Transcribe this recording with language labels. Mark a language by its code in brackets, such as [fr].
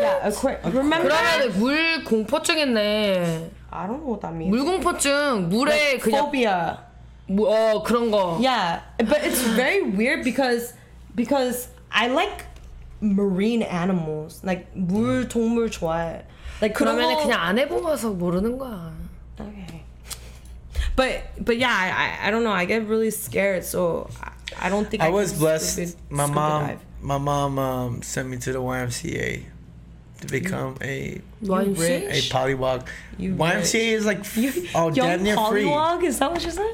[en] Yeah, aquarium. Remember? [ko] 그러면 물 공포증이네. [en] I don't know what that means. [ko] 물 공포증 물에 like, 그냥 [en] phobia. [ko] 뭐, 어 그런 거. [en] Yeah, but it's very weird because I like marine animals. [ko] Like 물 동물 좋아해. Like 그러면 거... 그냥 안 해보면서 모르는 거야. [en] Okay. But yeah, I don't know. I get really scared, so I don't think I was blessed. My mom sent me to the YMCA to become a polywog. YMCA is like damn near free. Polywog? Is that what you said?